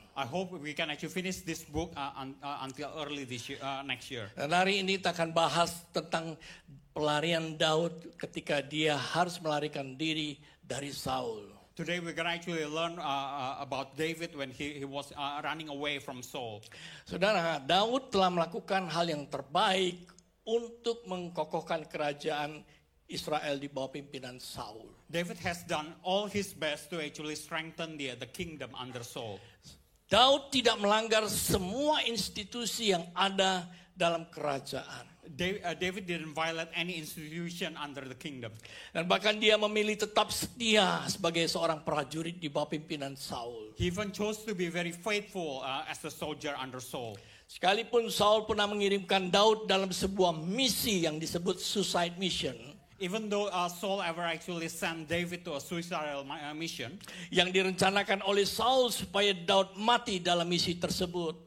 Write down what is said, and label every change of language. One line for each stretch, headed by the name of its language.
English: I hope we can actually finish this book until early this year, next year.
Indonesian: Dan hari ini kita akan bahas tentang pelarian Daud ketika dia harus melarikan diri dari Saul.
English: Today we're going to actually learn about David when he was running away from Saul.
Indonesian: Saudara, Daud telah melakukan hal yang terbaik untuk mengkokohkan kerajaan Israel di bawah pimpinan Saul.
English: David has done all his best to actually strengthen the kingdom under Saul.
Indonesian: Daud tidak melanggar semua institusi yang ada dalam kerajaan.
English: David didn't violate any institution under the kingdom.
Indonesian: Dan bahkan dia memilih tetap setia sebagai seorang prajurit di bawah pimpinan Saul.
English: He even chose to be very faithful as a soldier under Saul.
Indonesian: Sekalipun Saul pernah mengirimkan Daud dalam sebuah misi yang disebut
English: suicide mission, even though Saul ever actually sent David to a suicidal mission,
Indonesian: yang direncanakan oleh Saul supaya Daud mati dalam misi tersebut.